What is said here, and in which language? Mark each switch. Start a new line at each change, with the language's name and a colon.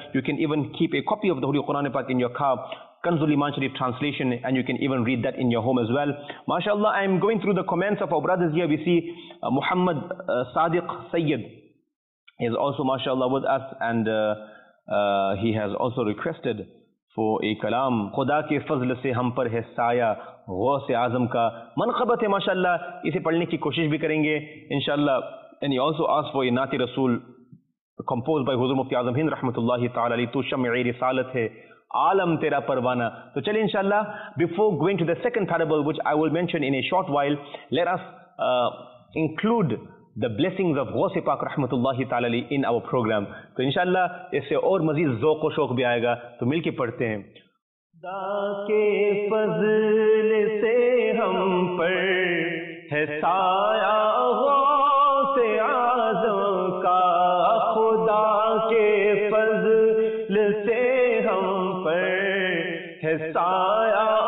English: You can even keep a copy of the Holy Quran Pak in your car. Kanzul Iman Sharif translation and you can even read that in your home as well. MashaAllah, I am going through the comments of our brothers here. We see Muhammad Sadiq Sayyid is also MashaAllah with us and he has also requested
Urdu: وہ ایک کلام خدا کے فضل سے ہم پر ہے سایہ غوث اعظم کا منقبت ہے ماشاءاللہ. اسے پڑھنے کی کوشش بھی کریں گے انشاءاللہ.
English: And he also asked for a نعت رسول composed by
Urdu: حضور مفتی اعظم ہند رحمۃ اللہ تعالی علیہ. تو شمع رسالت ہے عالم تیرا پروانہ. تو چلیں انشاءاللہ,
English: Before going to the second parable which I will mention in a short while, let us include the blessings of غوث پاک رحمۃ اللہ تعالی علیہ in our programme.
Urdu: تو انشاءاللہ اس سے اور مزید ذوق و شوق بھی آئے گا. تو مل کے پڑھتے ہیں. خدا کے فضل سے ہم پر ہے سایہ غوث اعظم کا, خدا کے فضل سے ہم پر ہے سایہ